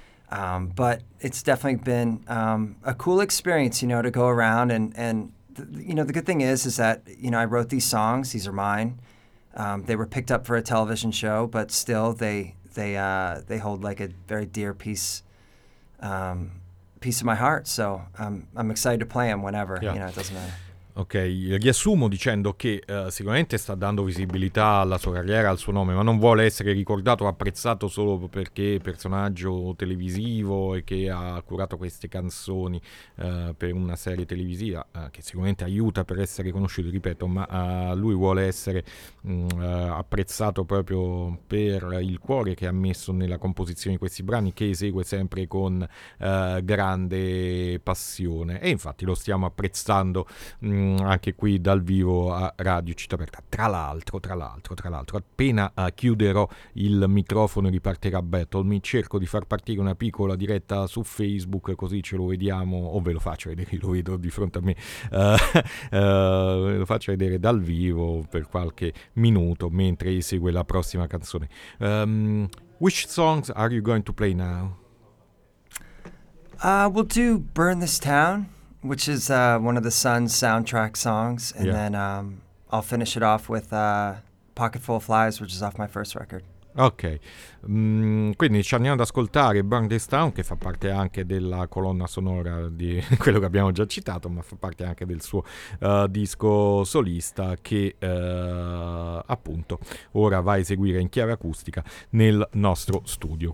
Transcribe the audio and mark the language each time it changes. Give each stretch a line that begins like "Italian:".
English: But it's definitely been a cool experience, you know, to go around and you know, the good thing is that, you know, I wrote these songs. These are mine. They were picked up for a television show, but still they hold like a very dear piece of my heart. So I'm excited to play them whenever, you know, it doesn't matter.
Italian: Ok, riassumo dicendo che sicuramente sta dando visibilità alla sua carriera, al suo nome, ma non vuole essere ricordato o apprezzato solo perché è personaggio televisivo e che ha curato queste canzoni per una serie televisiva, che sicuramente aiuta per essere conosciuto, ripeto, ma lui vuole essere apprezzato proprio per il cuore che ha messo nella composizione di questi brani, che esegue sempre con grande passione, e infatti lo stiamo apprezzando anche qui dal vivo a Radio Città Aperta. Tra l'altro, appena chiuderò il microfono e ripartirà Battle Me, cerco di far partire una piccola diretta su Facebook, così ce lo vediamo, o ve lo faccio vedere, lo vedo di fronte a me, lo faccio vedere dal vivo per qualche minuto mentre esegue la prossima canzone.
English: Which songs are you going to play now? We'll do Burn This Town, which is one of the Sun's soundtrack songs, and then I'll finish it off with Pocketful of Flies, which is off my first record.
Italian: Ok, quindi ci andiamo ad ascoltare Burn This Town, che fa parte anche della colonna sonora di quello che abbiamo già citato, ma fa parte anche del suo disco solista, che appunto ora va a eseguire in chiave acustica nel nostro studio.